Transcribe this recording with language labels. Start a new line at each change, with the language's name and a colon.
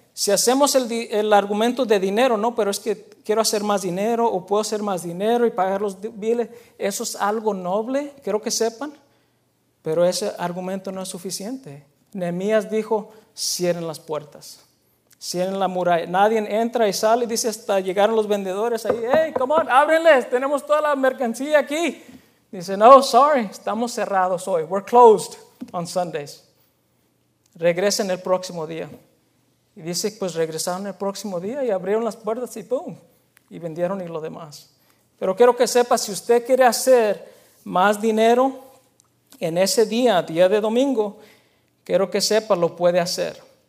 Spanish: Si hacemos el argumento de dinero, no, pero es que quiero hacer más dinero o puedo hacer más dinero y pagar los biles, eso es algo noble, quiero que sepan, pero ese argumento no es suficiente. Nehemías dijo, cierren las puertas, cierren la muralla. Nadie entra y sale, dice, hasta llegaron los vendedores ahí,
English: hey, come on,
Spanish: ábrenles, tenemos toda la mercancía aquí. Dice, no, sorry, estamos cerrados hoy,
English: we're closed on Sundays.
Spanish: Regresen el próximo día. Y dice, pues regresaron el próximo día y abrieron las puertas y ¡pum! Y vendieron y lo demás. Pero quiero que sepa, si usted quiere hacer más dinero en ese día, día de domingo, quiero que sepa, lo puede hacer.